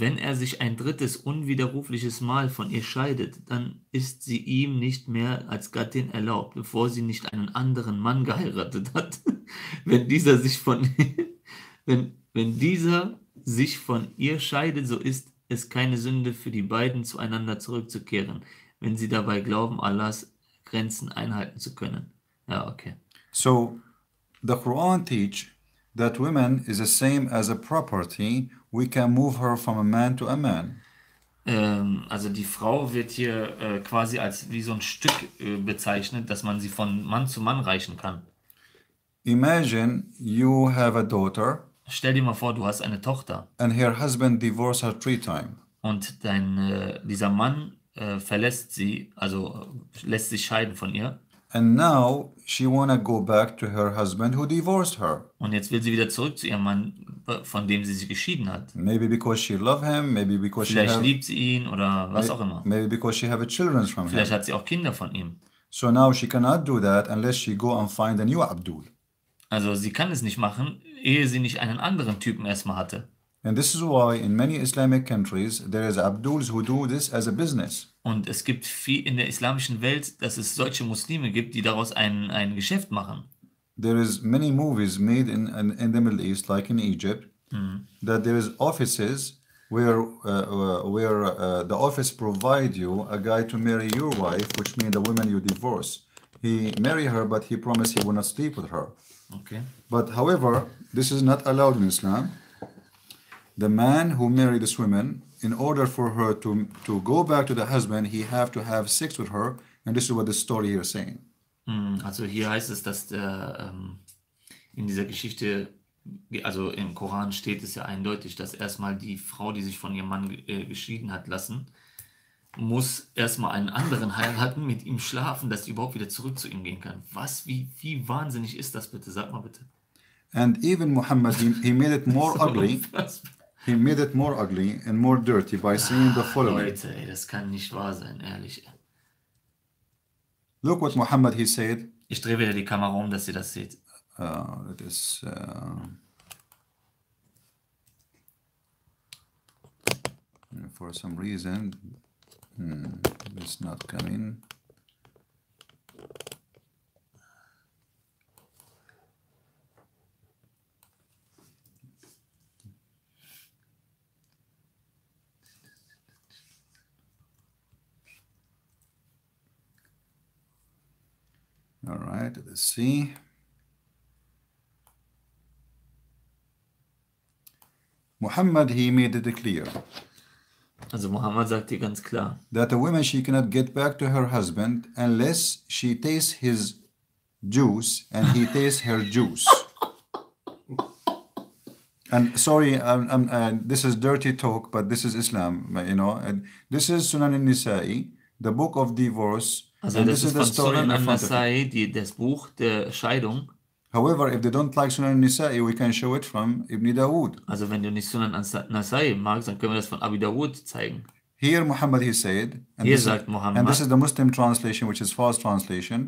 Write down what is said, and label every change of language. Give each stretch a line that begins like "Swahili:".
German: Wenn er sich ein drittes unwiderrufliches Mal von ihr scheidet, dann ist sie ihm nicht mehr als Gattin erlaubt, bevor sie nicht einen anderen Mann geheiratet hat. Wenn dieser sich von ihr scheidet, so ist es keine Sünde für die beiden, zueinander zurückzukehren, wenn sie dabei glauben, Allahs Grenzen einhalten zu können. Ja, okay.
English: So, the Quran teach that women is the same as a property. We can move her from a man to a man.
German: Also die Frau wird hier quasi als wie so ein Stück bezeichnet, dass man sie von Mann zu Mann reichen kann.
English: Imagine you have a daughter.
German: Stell dir mal vor, du hast eine Tochter.
English: And her husband divorced her three times.
German: Und dein dieser Mann verlässt sie, also lässt sich scheiden von ihr.
English: And now she wanna go back to her husband who divorced her.
German: Und jetzt will sie wieder zurück zu ihrem Mann, von dem sie sich geschieden hat.
English: Maybe because she loves him, maybe because
German: vielleicht
English: she
German: liebt sie ihn oder was auch immer.
English: Maybe because she have children from
German: vielleicht Hat sie auch Kinder von ihm.
English: So now she cannot do that unless she go and find a new Abdul.
German: Also sie kann es nicht machen, ehe sie nicht einen anderen Typen erstmal hatte.
English: And this is why in many Islamic countries there is Abduls who do this as a business.
German: Und es gibt viel in der islamischen Welt, dass es solche Muslime gibt, die daraus ein Geschäft machen.
English: There is many movies made in the Middle East, like in Egypt, that there is offices where the office provide you a guy to marry your wife, which means the woman you divorce. He marry her, but he promised he will not sleep with her. Okay. But however, this is not allowed in Islam. The man who married this woman, in order for her to go back to the husband, he have to have sex with her, and this is what the story here is saying.
German: Also hier heißt es, dass der, in dieser Geschichte, also im Koran steht es ja eindeutig, dass erstmal die Frau, die sich von ihrem Mann geschieden hat lassen, muss erstmal einen anderen heiraten, mit ihm schlafen, dass sie überhaupt wieder zurück zu ihm gehen kann. Was, wie wahnsinnig ist das bitte? Sag mal bitte.
English: And even Muhammad, he made it more ugly. He made it more ugly and more dirty by saying the following.
German: Leute, ey, das kann nicht wahr sein, ehrlich.
English: Look what Muhammad, he said.
German: Ich drehe wieder die Kamera um, dass ihr das seht.
English: It is, for some reason, it's not coming. All right, let's see. Muhammad, he made it clear.
German: Also Muhammad sagt dir ganz klar.
English: That a woman, she cannot get back to her husband unless she tastes his juice and he tastes her juice. And sorry, this is dirty talk, but this is Islam, you know. And this is Sunan al-Nisa'i, the book of divorce.
German: Also
English: and
German: das ist von Sunan al-Nisa'i, das Buch der Scheidung.
English: However, if they don't like Sunan al-Nisa'i, we can show it from Ibn Dawud.
German: Also wenn du nicht Sunan al-Nisa'i magst, dann können wir das von Abi Dawud zeigen.
English: Here Muhammad, he said,
German: and, hier sagt Muhammad,
English: and this is the Muslim translation, which is false translation.